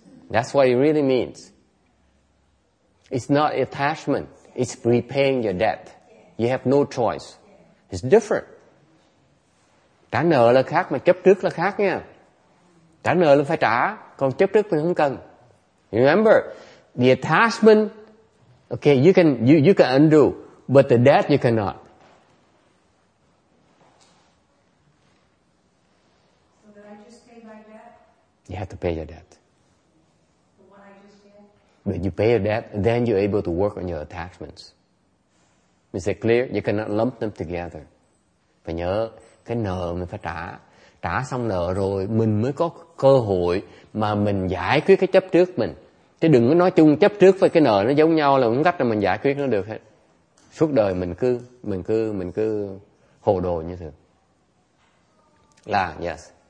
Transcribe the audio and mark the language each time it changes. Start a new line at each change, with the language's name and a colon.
English: That's what it really means. It's not attachment. It's repaying your debt. You have no choice. It's different.
Vietnamese: Trả nợ là khác, mà chấp trước là khác nha. Trả nợ là phải trả, còn chấp trước mình không cần.
English: Remember, the attachment, okay, you can undo, but the debt you cannot. You have to pay your debt. When you pay your debt, then you're able to work on your attachments. Is it clear? You cannot lump them together.
Vietnamese: Và nhớ, cái nợ mình phải trả. Trả xong nợ rồi, mình mới có cơ hội mà mình giải quyết cái chấp trước mình. Chứ đừng có nói chung chấp trước với cái nợ nó giống nhau là không cách nào mình giải quyết nó được hết. Suốt đời mình cứ hồ đồ như thường. Là, yes.